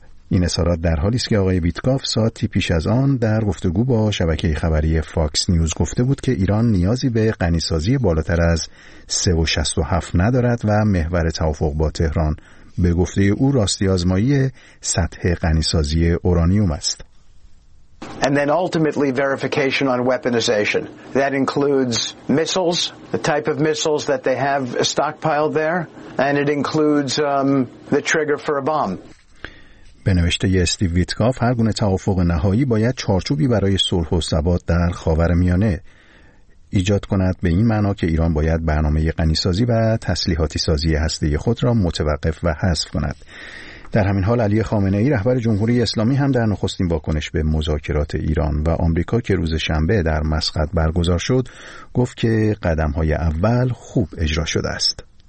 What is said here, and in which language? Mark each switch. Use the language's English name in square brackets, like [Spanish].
[Persian] این اظهارات در حالی است که آقای ویتکاف ساعتی پیش از آن در گفتگو با شبکه خبری فاکس نیوز گفته بود که ایران نیازی به غنی‌سازی بالاتر از 3.67 ندارد و محور توافق با تهران به گفته او راستی آزمایی سطح غنی‌سازی اورانیوم است. [English] And then ultimately verification on weaponization. That includes missiles, the type of missiles that they have stockpiled there, and it includes the trigger for a bomb. [Persian] به نوشته استیو ویتکاف هر گونه توافق نهایی باید چارچوبی برای صلح و ثبات در خاورمیانه ایجاد کند، به این معنا که ایران باید برنامه غنی‌سازی و تسلیحاتی سازی هسته‌ای خود را متوقف و حذف کند. در همین حال علی خامنه‌ای رهبر جمهوری اسلامی هم در نخستین واکنش به مذاکرات ایران و آمریکا که روز شنبه در مسقط برگزار شد گفت که قدم‌های اول خوب اجرا شده است.